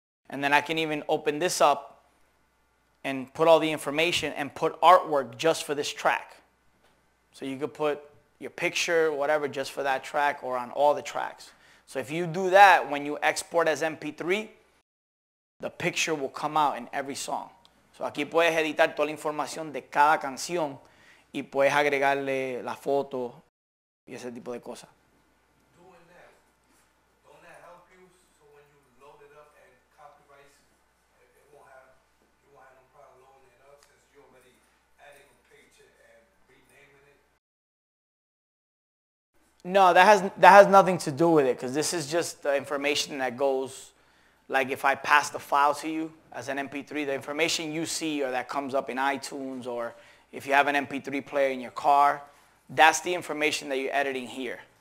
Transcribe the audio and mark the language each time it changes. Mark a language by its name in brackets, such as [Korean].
[English] And then I can even open this up and put all the information and put artwork just for this track. So you could put your picture, whatever, just for that track or on all the tracks. So if you do that, when you export as MP3, the picture will come out in every song. [Spanish] So aquí puedes editar toda la información de cada canción y puedes agregarle la foto y ese tipo de cosas. [English] Doing that, don't that help you so when you load it up and copyright, you won't have no problem loading it up since you're already adding a picture and renaming it? No, that has nothing to do with it, because this is just the information that goes, like if I pass the file to you as an MP3, the information you see or that comes up in iTunes or if you have an MP3 player in your car, that's the information that you're editing here.